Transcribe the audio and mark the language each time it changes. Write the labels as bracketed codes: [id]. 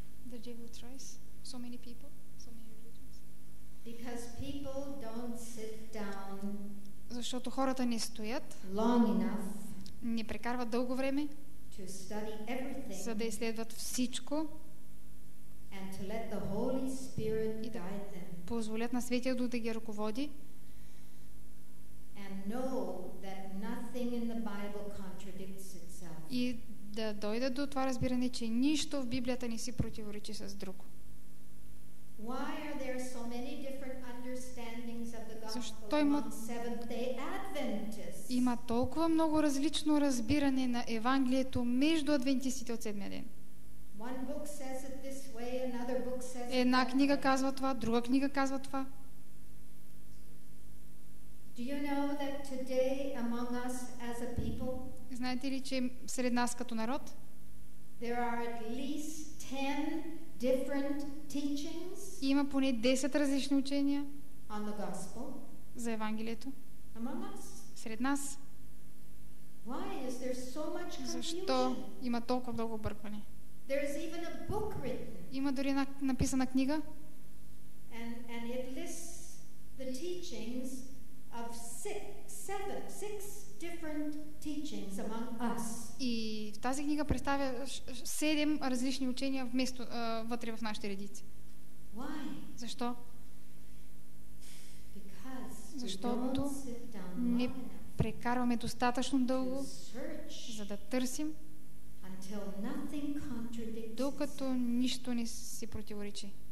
[en] The devil tries so many people, so many religions. Because people don't sit down. [bg] Защото хората не стоят. [en] Long enough. [bg] Не прекарват дълго време. [en] To study everything. [bg] За да изследват всичко. [en] And to let the Holy Spirit [bg] и да [en] guide them. [bg] Позволят на Светия Дух да ги ръководи. [en] And know that nothing in the Bible contradicts itself. [bg] И да дойдат до това разбиране, че нищо в Библията не си противоречи с друго. [en] Why are there so many different understandings of the gospel? [bg] Защо има [en] Seventh-day Adventists? [bg] Има толкова много различно разбиране на Евангелието между адвентистите от седмия ден. [en] One book says it this way, another book says it that way. [bg] Една книга казва това, друга книга казва това. [en] Do you know that today among us as a people? [bg] Знаете ли, че сред нас като народ? [en] There are at least 10 different teachings. [bg] Има поне 10 различни учения. [en] On the gospel. [bg] За Евангелието. [en] Among us. [bg] Сред нас. [en] Why is there so much confusion? [bg] Защо има толкова много бъркване? [en] There is even a book written. [bg] Има дори написана книга. [en] And it lists the teachings of six different teachings among us. [bg] И в тази книга представя 7 различни учения вместо вътре в нашите редици. [en] Why? [bg] Защо? [en] Because [bg] защото не прекарваме достатъчно дълго, за да търсим, [en] until nothing contradicts, [bg] докато нищо не си противоречи.